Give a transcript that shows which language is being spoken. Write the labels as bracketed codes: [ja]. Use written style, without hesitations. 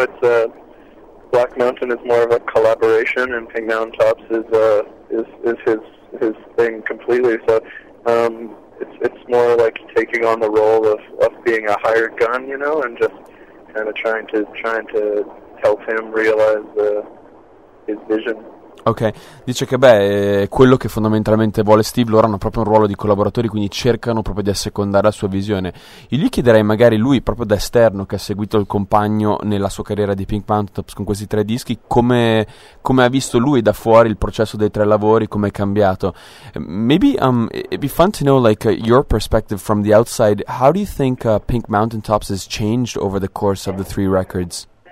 [en] It's Black Mountain is more of a collaboration, and Pink Mountain Tops is his thing completely. So it's more like taking on the role of being a hired gun, you know, and just kind of trying to help him realize his vision. [it] Ok, dice che beh, quello che fondamentalmente vuole Steve, loro hanno proprio un ruolo di collaboratori, quindi cercano proprio di assecondare la sua visione. Io gli chiederei magari lui, proprio da esterno, che ha seguito il compagno nella sua carriera di Pink Mountain Tops con questi tre dischi, come ha visto lui da fuori il processo dei tre lavori, come è cambiato. [en] Maybe it'd be fun to know your perspective from the outside. How do you think Pink Mountain Tops has changed over the course of the three records?